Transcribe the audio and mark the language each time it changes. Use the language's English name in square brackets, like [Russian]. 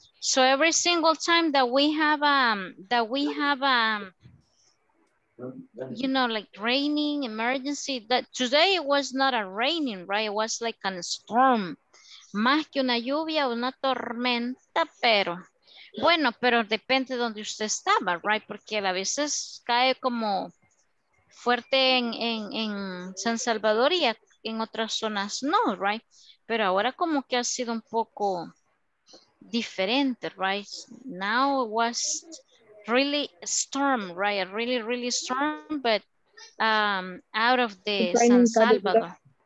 [English] So every single time that we have you know, like raining emergency, that today it was not a raining, right? It was like a storm. [Spanish] Más que una lluvia, una tormenta, pero. Bueno, pero depende de donde usted estaba, right? Porque a veces cae como fuerte en San Salvador y en otras zonas no, right? Pero ahora como que ha sido un poco diferente, right? [English] Now it was really storm, right? Really, really storm, but out of the San Salvador.